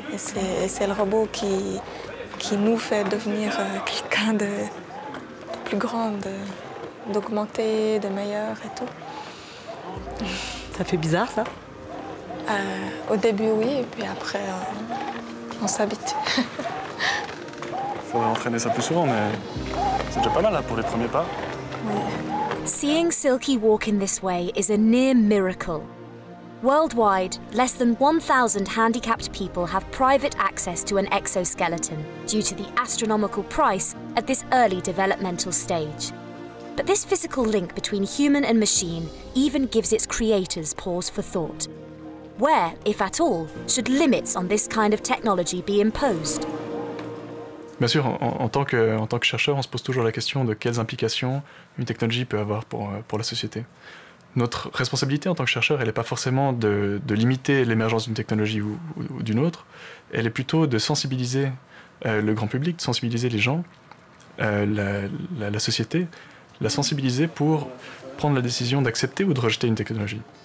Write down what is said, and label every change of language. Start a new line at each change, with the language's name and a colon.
French: Et c'est le robot qui nous fait devenir quelqu'un de plus grand, d'augmenté, de meilleur et tout. Ça fait bizarre, ça? Au début, oui, et puis après, on s'habitue. Faudrait entraîner ça plus souvent, mais c'est déjà pas mal, là, pour les premiers pas. Oui.
English: Seeing Silky walk in this way is a near miracle. Worldwide, less than 1,000 handicapped people have private access to an exoskeleton due to the astronomical price at this early developmental stage. But this physical link between human and machine even gives its creators pause for thought. Where, if at all, should limits on this kind of technology be imposed?
French: Bien sûr, en tant que chercheur, on se pose toujours la question de quelles implications une technologie peut avoir pour la société. notre responsabilité en tant que chercheur, elle n'est pas forcément de limiter l'émergence d'une technologie ou d'une autre. Elle est plutôt de sensibiliser le grand public, de sensibiliser les gens, la société, la sensibiliser pour prendre la décision d'accepter ou de rejeter une technologie.